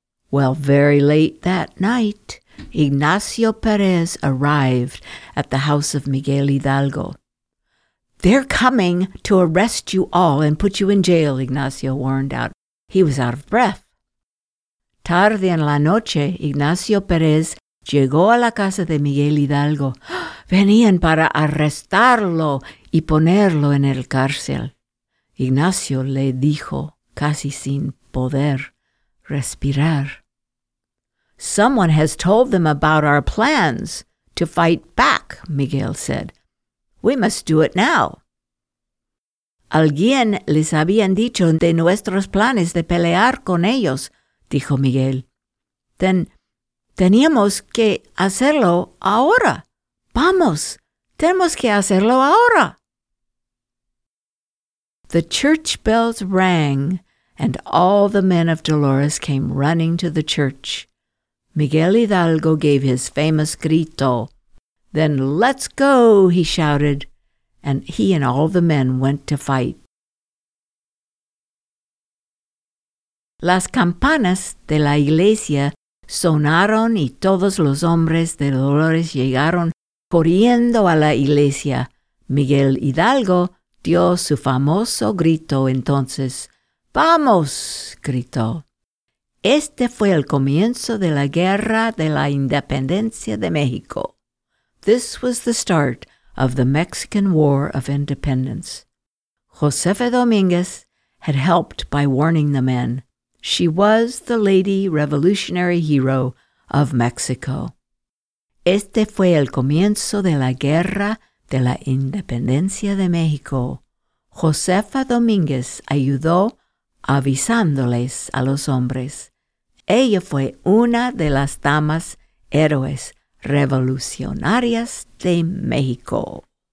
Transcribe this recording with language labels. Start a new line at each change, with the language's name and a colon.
English: Well, very late that night, Ignacio Perez arrived at the house of Miguel Hidalgo. "They're coming to arrest you all and put you in jail," Ignacio warned out. He was out of breath.
Spanish: Tarde en la noche, Ignacio Perez llegó a la casa de Miguel Hidalgo. Venían para arrestarlo y ponerlo en el cárcel. Ignacio le dijo, casi sin poder respirar. "Someone has told them about our plans to fight back," Miguel said. "We must do it now." "Alguien les habían dicho de nuestros planes de pelear con ellos," dijo Miguel.
English: "Then
Spanish: teníamos que hacerlo ahora. Vamos, tenemos que hacerlo ahora."
English: The church bells rang, and all the men of Dolores came running to the church. Miguel Hidalgo gave his famous grito. "Then let's go," he shouted, and he and all the men went to fight.
Spanish: Las campanas de la iglesia sonaron y todos los hombres de Dolores llegaron corriendo a la iglesia. Miguel Hidalgo dio su famoso grito entonces. "Vamos," gritó. Este fue el comienzo de la Guerra de la Independencia de México.
English: This was the start of the Mexican War of Independence. Josefa Dominguez had helped by warning the men. She was the lady revolutionary hero of Mexico.
Spanish: Este fue el comienzo de la Guerra de la Independencia de México. Josefa Dominguez ayudó avisándoles a los hombres. Ella fue una de las damas héroes revolucionarias de México.